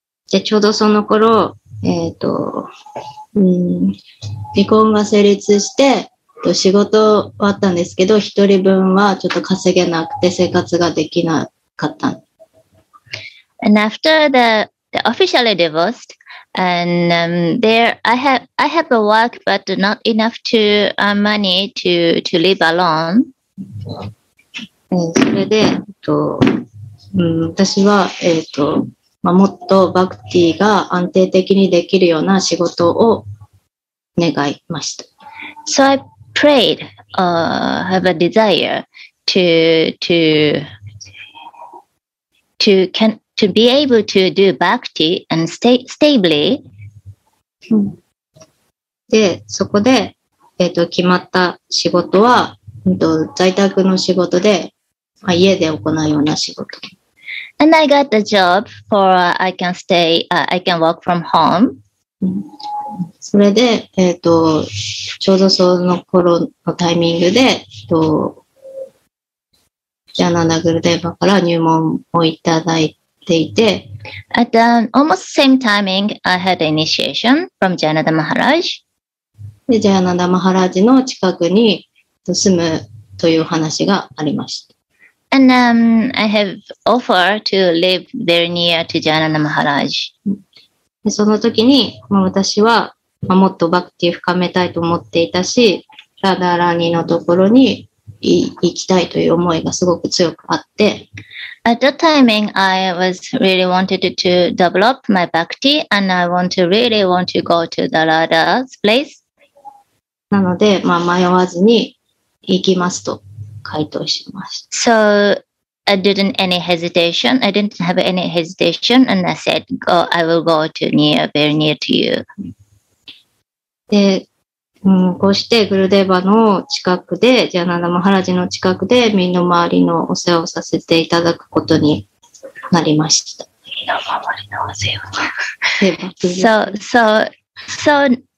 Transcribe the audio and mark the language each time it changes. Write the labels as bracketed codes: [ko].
[ja] で、ちょうどその頃、離婚が成立して、仕事終わったんですけど、一人分はちょっと稼げなくて生活ができなかった。 [en] And after the officially divorced and I have a work but not enough to earn money to live alone. [ja] それで、私は、もっとバクティが安定的にできるような仕事を願いました。 [en] So I prayed or have a desire to be able to do bhakti and stably. [ja] で、そこで、決まった仕事は、在宅の仕事で、家で行うような仕事。 [en] And I got the job for I can work from home. [ja] それで、ちょうどその頃のタイミングで、ジャナナグルデバから入門をいただいて、 [en] At almost the same timing, I had initiation from Jayananda Maharaj. [ja] で、Jayananda Maharaj の近くに住むという話がありました。 [en] And I have offer to live very near to Jayananda Maharaj. [ja] で、その時に、私は、もっとバクティを深めたいと思っていたし、ラダーラニのところに行きたいという思いがすごく強くあって、 [en] At that timing, I was really wanted to develop my bhakti and I want to go to the Radha's place. [ja] なので、迷わずに行きますと回答しました。 [en] So, I didn't any hesitation. I didn't have any hesitation and I said, go, I will go to near, very near to you. [ja] で、こうしてグルデバの近くで、ジャナナマハラジの近くで、身の回りのお世話をさせていただくことになりました。身の回りのお世話。 [en] So